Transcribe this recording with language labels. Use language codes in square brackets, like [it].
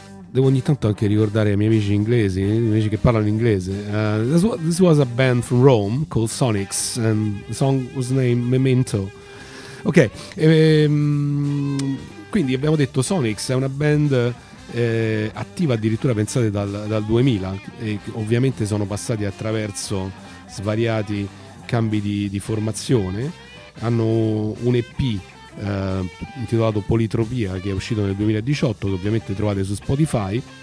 [it] devo ogni tanto anche ricordare ai miei amici inglesi, i miei amici che parlano inglese. [en] This was a band from Rome called Sonics, and the song was named Memento. [it] Ok, quindi abbiamo detto Sonics è una band attiva addirittura, pensate, dal 2000, e ovviamente sono passati attraverso svariati cambi di formazione. Hanno un EP intitolato Politropia, che è uscito nel 2018, che ovviamente trovate su Spotify.